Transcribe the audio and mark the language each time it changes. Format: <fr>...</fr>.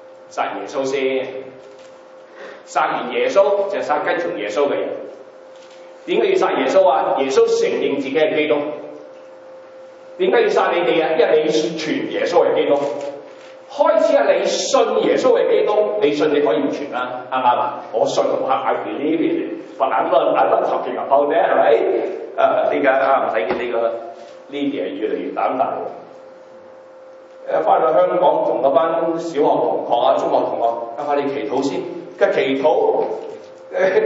<yue>殺耶穌先，殺完耶穌就殺跟從耶穌嘅人。點解要殺耶穌啊？耶穌承認自己係基督。點解要殺你哋啊？因為你傳耶穌係基督。開始係你信耶穌係基督，你信你可以唔傳啦，係咪啊？我信唔怕</yue> <en>，I believe in it，but I'm not talking about that，</en> <yue>係咪？呢家啊唔使見呢個呢啲係越嚟越膽大。翻到香港同嗰班小學同學啊、中學同學，啊快啲祈禱先，佢祈禱。</yue>